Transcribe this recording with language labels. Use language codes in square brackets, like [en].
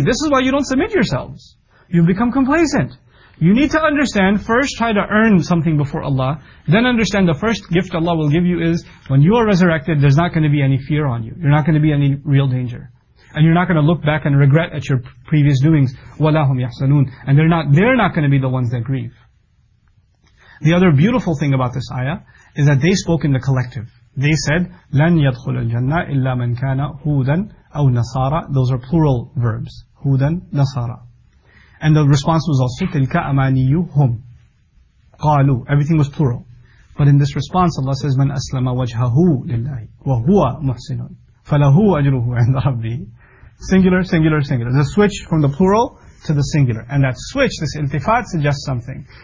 [en] This is why you don't submit yourselves. You've become complacent. You need to understand, first try to earn something before Allah, then understand the first gift Allah will give you is, when you are resurrected, there's not going to be any fear on you. You're not going to be any real danger. And you're not going to look back and regret at your previous doings. [ar] وَلَهُمْ يَحْسَنُونَ. [en] And they're not going to be the ones that grieve. The other beautiful thing about this ayah is that they spoke in the collective. They said, [ar] لَنْ يَدْخُلَ الْجَنَّةِ إِلَّا مَنْ كَانَ هُودًا أَوْ نَصَارًا. [en] Those are plural verbs. [ar] هُودًا نَصَارًا. [en] And the response was also, [ar] تِلْكَ أَمَانِيُّهُمْ قَالُوا. [en] Everything was plural. But in this response, Allah says, [ar] مَنْ أَسْلَمَ وَجْهَهُ لِلَّهِ وَهُوَ مُحْسِنٌ. فَلَهُ أَجْرُهُ عِنْدَ رَبِّهِ. [en] Singular, singular, singular. The switch from the plural to the singular. And that switch, this iltifat, suggests something.